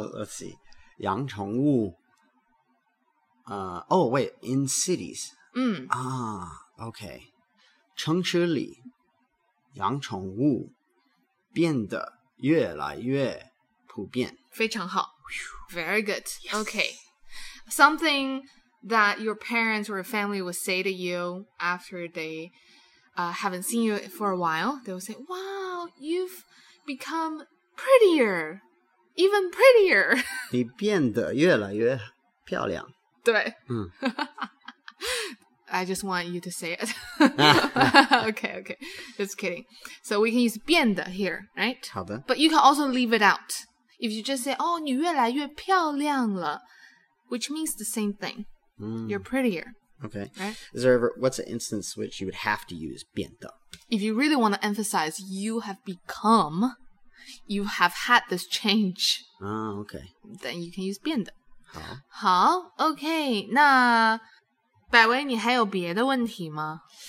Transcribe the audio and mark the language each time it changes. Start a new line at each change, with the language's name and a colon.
English: Let's see. 养宠物, oh, wait, in cities. Okay.
Chinese: 城市里, 养宠物, 变得越来越普遍. 非常好.
English: Very good. Yes. Okay. Something that your parents or family would say to you after they haven't seen you for a while, they would say, wow, you've become prettier, even prettier.
Chinese: 你变得越来越漂亮。对。
English: I just want you to say it. okay, just kidding. So we can use 变得 here, right?
Chinese: 好的。
English: But you can also leave it out. If you just say, oh,
Chinese: 你越来越漂亮了,
English: which means the same thing. You're prettier. Okay. Right? Is there ever, what's an instance which you would have to use 变得? If you really want to emphasize you have become, you have had this change. Oh, okay. Then you can use 变得.
Chinese: 好。
English: Okay.
Chinese: 那, 百威你还有别的问题吗?